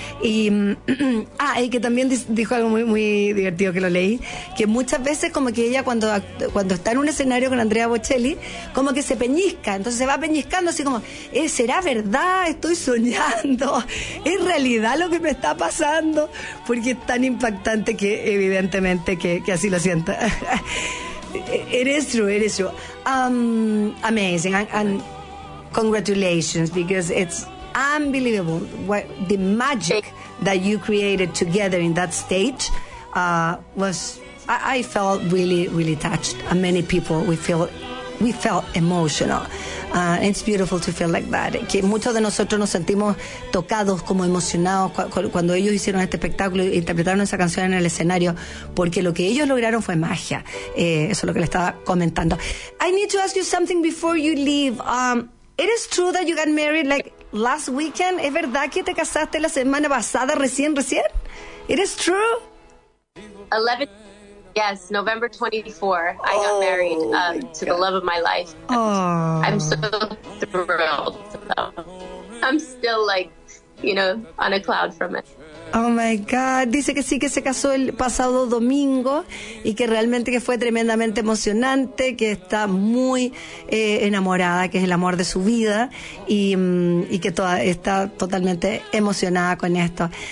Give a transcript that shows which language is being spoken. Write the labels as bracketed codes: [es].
[es] Y y que también dijo algo muy muy divertido, que lo leí, que muchas veces como que ella cuando está en un escenario con Andrea Bocelli, como que se peñizca, entonces se va peñizcando así como, ¿será verdad? ¿Estoy soñando? ¿Es realidad lo que me está pasando? Porque es tan impactante que evidentemente que así lo sienta. [en] It is true. Amazing, and congratulations, because it's unbelievable what the magic that you created together in that stage was. I felt really, really touched, and many people we felt emotional. It's beautiful to feel like that. [es] Que muchos de nosotros nos sentimos tocados, como emocionados, cuando ellos hicieron este espectáculo e interpretaron esa canción en el escenario, porque lo que ellos lograron fue magia. Eso es lo que le estaba comentando. [en] I need to ask you something before you leave. It is true that you got married like last weekend. [es] ¿Es verdad que te casaste la semana pasada, recién? [en] It is true. 11. Yes, November 24, I got married to the love of my life. I'm so thrilled. I'm still like, you know, on a cloud from it. Oh my God, [es] dice que sí, que se casó el pasado domingo y que realmente que fue tremendamente emocionante, que está muy enamorada, que es el amor de su vida, y que está totalmente emocionada con esto.